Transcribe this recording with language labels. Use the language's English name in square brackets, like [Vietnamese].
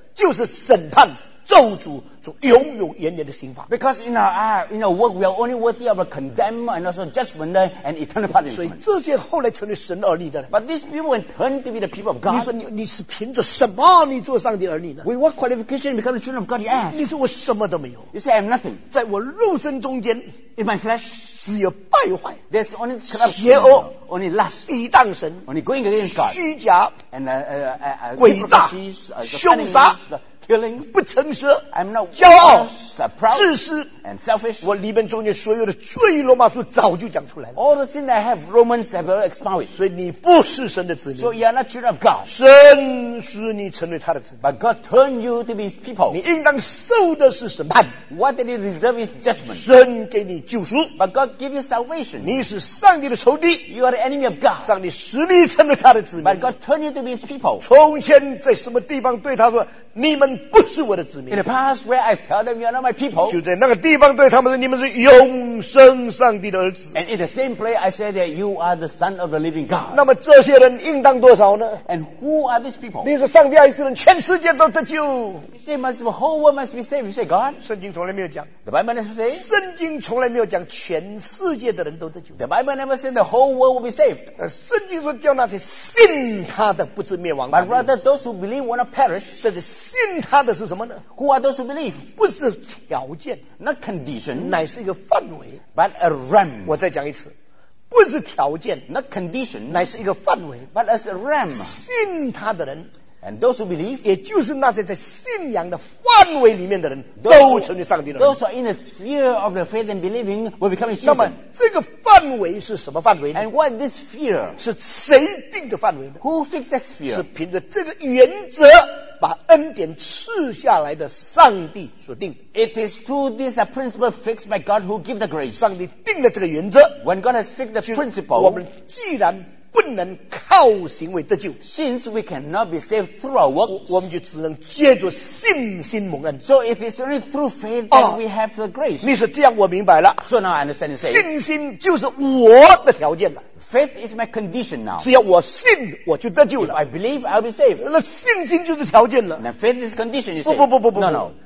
[Chinese] 就是审判咒诅主永永远远的刑罚 [English] Because in our eye, in our work, we are only worthy of a condemned and also judgment and eternal punishment. [Chinese] 所以这些后来成为神儿女的人 [English] But these people turned to be the people of God. [Chinese] 你说 你是凭着什么你做上帝儿女呢 [English] With what qualification you become the children of God, you ask. [Chinese] 你说我什么都没有 [English] You say I am nothing. [Chinese] 在我肉身中间 [English] In my flesh, [Chinese] 只有败坏 [English] There's only corruption. [Chinese] 邪恶 [English] Only lust. [Chinese] 抵挡神 [English] Only going against God. [Chinese] 虚假 [English] And [Chinese] 诡诈凶杀 [English] Killing, [Chinese] 不诚实 [English] I'm not [Chinese] 骄傲 [English] the proud, [Chinese] 自私 [English] and selfish, [Chinese] 我里面中间所有的罪罗马书早就讲出来了 [English] All the sin that I have Romans have expounded [Chinese] 所以你不是神的子民 [English] So you are not children of God [Chinese] 神使你成为他的子民 [English] But God turned you to be his people [Chinese] 你应当受的是审判 [English] What did he deserve is judgment [Chinese] 神给你救赎 [English] But God gave you salvation [Chinese] 你是上帝的仇敌 [English] You are the enemy of God [Chinese] 上帝使你成为他的子民 [English] But God turned you to be his people [Chinese] 从前在什么地方对他说你们不是我的子民 [English] In the past where I tell them you are not my people [Chinese] 就在那个地方对他们说你们是永生上帝的儿子 [English] And in the same place I say that you are the son of the living God [Chinese] 那么这些人应当多少呢 [English] And who are these people [Chinese] 你说上帝爱世人全世界都得救 [English] You say must the whole world must be saved You say God [Chinese] 圣经从来没有讲 [English] The Bible never say [Chinese] 圣经从来没有讲全世界的人都得救 [English] The Bible never say the whole world will be saved [Chinese] 圣经说叫那些信他的不至灭亡 [English] But rather those who believe will not perish [Chinese] 这是信他的是什么呢 [English] Who are those who believe [Chinese] 不是条件 [English] Not condition [Chinese] 乃是一个范围 [English] But a realm [Chinese] 我再讲一次不是条件 [English] Not condition [Chinese] 乃是一个范围 [English] But as a realm [Chinese] 信他的人 [English] And those who believe, [Chinese] 也就是那些在信仰的范围里面的人，都成为上帝的人。 [English] Those who are in the sphere of the faith and believing will become his children. [Chinese] 那么这个范围是什么范围呢？ [English] And what this sphere? [Chinese] 是谁定的范围呢？ [English] Who fixed the sphere? [Chinese] 是凭着这个原则把恩典赐下来的上帝所定。 [English] It is to this a principle fixed by God who gives the grace. [Chinese] 上帝定了这个原则。 [English] When God has fixed the principle, [Chinese] 我们既然不能靠行为得救， [English] since we cannot be saved through our works, [Chinese] 我们就只能借着信心蒙恩。 [English] So if it's only through faith that we have the grace, [Chinese] 你说这样我明白了。 [English] So now I understand you say, [Chinese] 信心就是我的条件了。 [English] Faith is my condition now. [Chinese] 只要我信，我就得救了。 [English] If I believe, I'll be saved. [Chinese] 那信心就是条件了。 [English] Now faith is condition. You say, [Chinese] 不 [English] no.